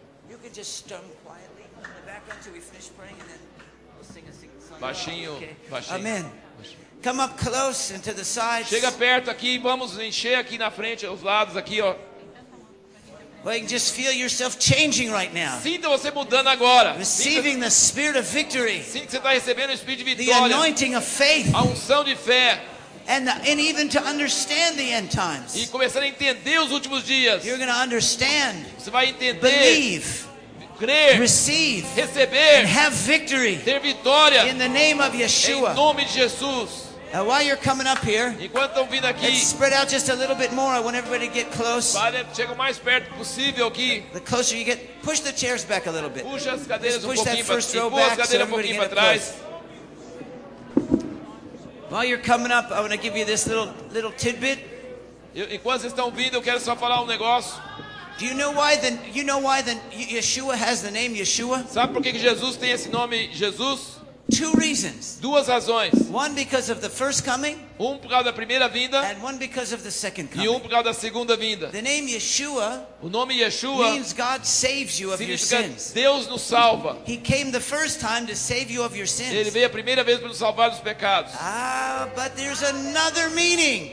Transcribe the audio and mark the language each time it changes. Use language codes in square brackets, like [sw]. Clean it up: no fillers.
[en] You can just stump quietly in the background until we finish praying, and then we'll sing a song. [pt] Baixinho, okay. Baixinho. [en] Amen. Come up close and to the sides. [pt] Chega perto aqui, vamos encher aqui na frente, os lados aqui, ó. [en] Well, you just feel yourself changing right now. [pt] Sinta você mudando agora. [en] Receiving the spirit of victory. [pt] Sinta que você tá recebendo o espírito de vitória. [en] The anointing of faith. [pt] A unção de fé. [en] And even to understand the end times. [pt] E começar a entender os últimos dias. [en] You're going to understand. [pt] Você vai entender. [en] Believe. [pt] Crer, [en] receive, [pt] receber, [en] and have victory, [pt] ter vitória, [en] in the name of Yeshua, [pt] em nome de Jesus. [en] Now, while you're coming up here, [pt] enquanto estão vindo aqui, [en] let's spread out just a little bit more. I want everybody to get close. [pt] Vale, chega o mais perto possível aqui. [en] The closer you get, push the chairs back a little bit. [pt] Puxa as cadeiras [en] just push [pt] um pouquinho [en] that first row back, so everybody [pt] um pouquinho [en] get close. While you're coming up, I want to give you this little tidbit. [pt] Enquanto vocês estão vindo, eu quero só falar um negócio. [en] Do you know why then? You know why then? Yeshua has the name Yeshua. [pt] Sabe por que Jesus tem esse nome Jesus? [en] Two reasons. [pt] Duas razões. [en] One because of the first coming. [pt] Por causa da primeira vinda. [en] And one because of the second coming. [pt] E por causa da segunda vinda. [en] The name Yeshua. [pt] O nome Yeshua [en] means God saves you of your sins. [pt] Deus nos salva. [en] He came the first time to save you of your sins. [pt] Ele veio a primeira vez para nos salvar dos pecados. [en] Ah, but there's another meaning.